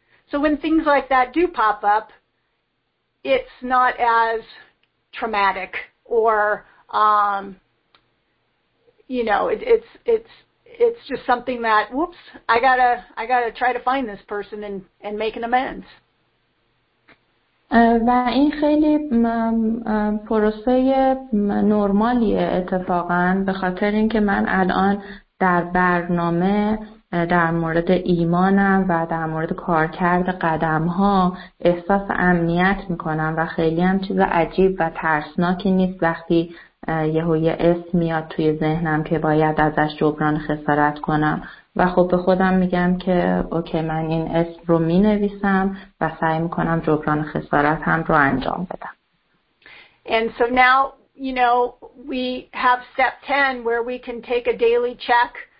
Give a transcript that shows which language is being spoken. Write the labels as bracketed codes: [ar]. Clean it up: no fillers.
[en] So when things like that do pop up, it's not as traumatic or, you know, it's just something that, whoops, I gotta try to find this person and make an amends. [fa] و این خیلی پروسه نرمالیه اتفاقا، به خاطر اینکه من الان در برنامه در مورد ایمانم و در مورد کارکرد قدم‌ها احساس امنیت میکنم و خیلی هم چیز عجیب و ترسناکی نیست وقتی یهو یه اسم میاد توی ذهنم که باید ازش جبران خسارت کنم و خب به خودم میگم که اوکی، من این اسم رو مینویسم و سعی میکنم جبران خسارت هم رو انجام بدم. [en] And so now, you know, we have step 10 where we can take a daily check.